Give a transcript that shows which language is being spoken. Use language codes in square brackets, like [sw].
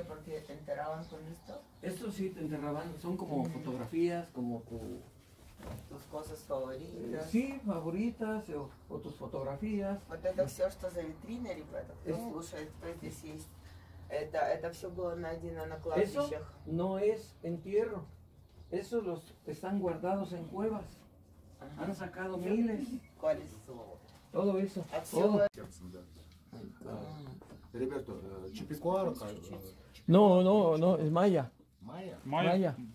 [es] ¿Porque te enterraban con esto? Esto sí te enterraban, son como fotografías, como tu... Tus cosas favoritas. Sí, favoritas, o tus fotografías. [ru] Вот это все, что за витриной, ребята, кто слушает, кто здесь есть. Это все было найдено на кладбищах. [es] Eso no es entierro. Eso los están guardados en cuevas. Ajá. Han sacado miles. ¿Cuál es su obra? Todo eso. [ru] А все было... Ребята, чипикуарка... [es] No, es майя. [ru] Майя? Майя.